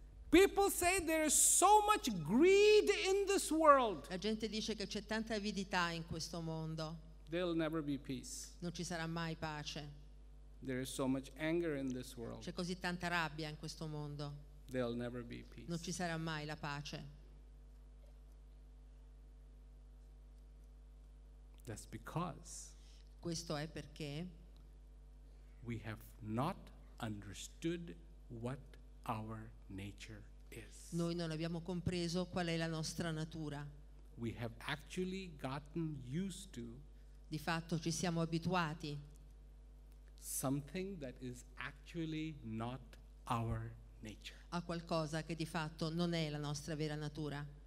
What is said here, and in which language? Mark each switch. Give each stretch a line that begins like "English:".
English: People say there is so much greed in this world.
Italian: La gente dice che c'è tanta avidità in questo mondo.
English: There'll never be peace.
Italian: Non ci sarà mai pace.
English: There is so much anger in this world.
Italian: C'è così tanta rabbia in questo mondo.
English: There'll never be peace.
Italian: Non ci sarà mai la pace.
English: That's because,
Italian: questo è perché,
English: we have not understood what our nature is.
Italian: Noi non abbiamo compreso qual è la nostra natura.
English: We have actually gotten used to,
Italian: di fatto ci siamo abituati,
English: something that is actually not our nature.
Italian: A qualcosa che di fatto non è la nostra vera natura.